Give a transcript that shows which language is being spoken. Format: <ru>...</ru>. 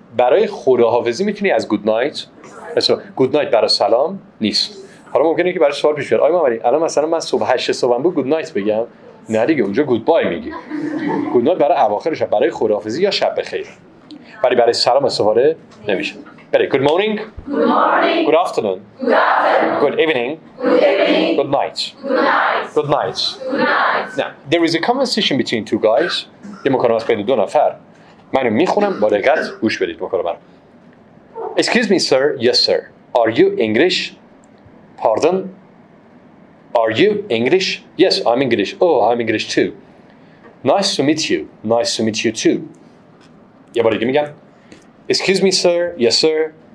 <fa>برای خداحافظی میتونی از good night، مثلا good night برای سلام نیست. حالا ممکنه که برای سوال پیش بیاد آقای محمدی الان مثلا من صبح 8 صبحم بود good night بگم؟ نه دیگه، اونجا good bye میگی. good night برای اواخر شب، برای خداحافظی یا شب بخیر، ولی برای سلام استفاده نمیشه.</fa> <en>بله، good morning. Good morning. Good afternoon. Good afternoon. Good evening. Good evening. Good night. Good night. Good night. Good night. Now, there is a conversation between two guys.</en> <fa>یه مکالمه است بین دو نفر. منو میخونم، با دقت گوش بدید مکالمه رو.</fa> <en>Excuse me, sir. Yes, sir. Are you English? Pardon. Are you English? Yes, I'm English. Oh, I'm English too. Nice to meet you. Nice to meet you too.</en> <fa>یه بار دیگه میگم.</fa> <en>Excuse me, sir. Yes, sir.</en>